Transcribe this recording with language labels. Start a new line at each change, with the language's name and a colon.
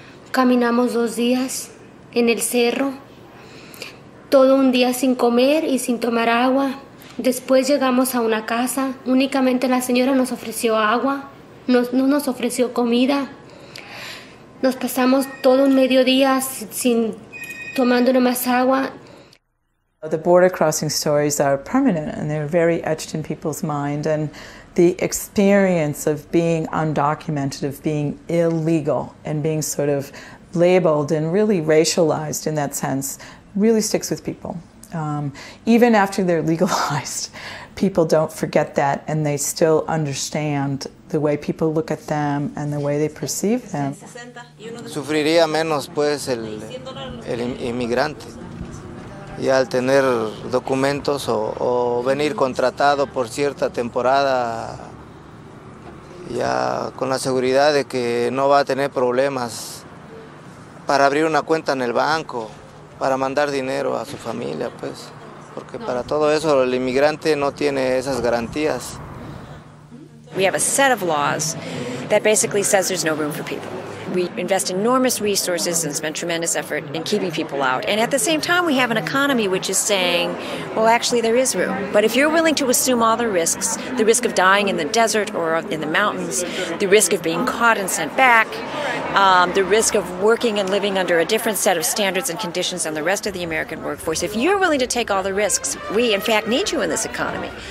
Spanish: Caminamos 2 días en el cerro, todo un día sin comer y sin tomar agua. Después llegamos a una casa, únicamente la señora nos ofreció agua, no nos ofreció comida. Nos pasamos todo un mediodía sin tomando más agua.
English: The border crossing stories are permanent and they're very etched in people's mind, and the experience of being undocumented, of being illegal and being sort of labeled and really racialized in that sense really sticks with people. Even after they're legalized, people don't forget that, and they still understand the way people look at them and the way they perceive them.
Spanish: Sufriría menos pues el inmigrante, y al tener documentos o venir contratado por cierta temporada, ya con la seguridad de que no va a tener problemas para abrir una cuenta en el banco, para mandar dinero a su familia, pues, porque para todo eso el inmigrante no tiene esas garantías.
English: We have a set of laws that basically says there's no room for people. We invest enormous resources and spend tremendous effort in keeping people out. And at the same time, we have an economy which is saying, well, actually, there is room. But if you're willing to assume all the risk of dying in the desert or in the mountains, the risk of being caught and sent back, the risk of working and living under a different set of standards and conditions than the rest of the American workforce, if you're willing to take all the risks, we, in fact, need you in this economy.